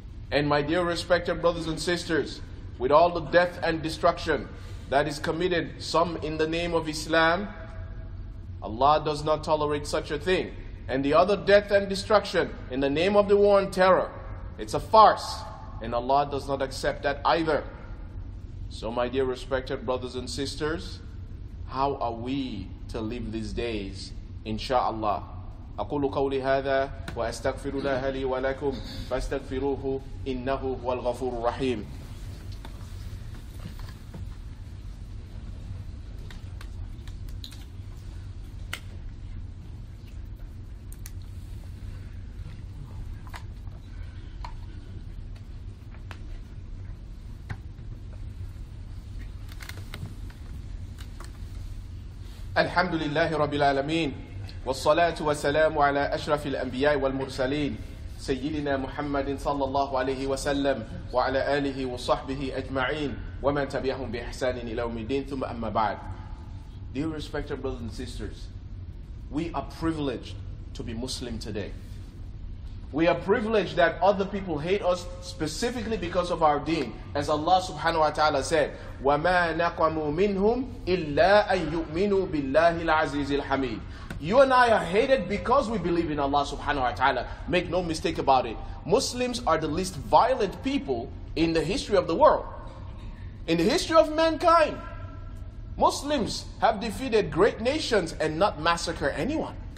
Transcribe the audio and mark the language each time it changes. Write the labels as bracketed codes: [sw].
[en] And my dear respected brothers and sisters, with all the death and destruction that is committed, some in the name of Islam, Allah does not tolerate such a thing. And the other death and destruction in the name of the war on terror, it's a farce, and Allah does not accept that either. So my dear respected brothers and sisters, how are we to live these days, inshallah? [ar] أقول قولي هذا وأستغفر الله لي ولكم فاستغفروه إنه هو الغفور الرحيم. الحمد لله رب العالمين. والصلاة والسلام على أشرف الأنبياء والمرسلين سيدنا محمد صلى الله عليه وسلم وعلى آله وصحبه أجمعين ومن تبعهم بإحسان إلى يوم الدين ثم أما بعد. [en] Dear respected brothers and sisters, we are privileged to be Muslim today. We are privileged that other people hate us specifically because of our deen. As Allah subhanahu wa ta'ala said, [ar] وَمَا نَقَمُوا مِنْهُمْ إِلَّا أَن يُؤْمِنُوا بِاللَّهِ الْعَزِيزِ الْحَمِيدِ. [en] You and I are hated because we believe in Allah subhanahu wa ta'ala. Make no mistake about it. Muslims are the least violent people in the history of the world. In the history of mankind, Muslims have defeated great nations and not massacred anyone.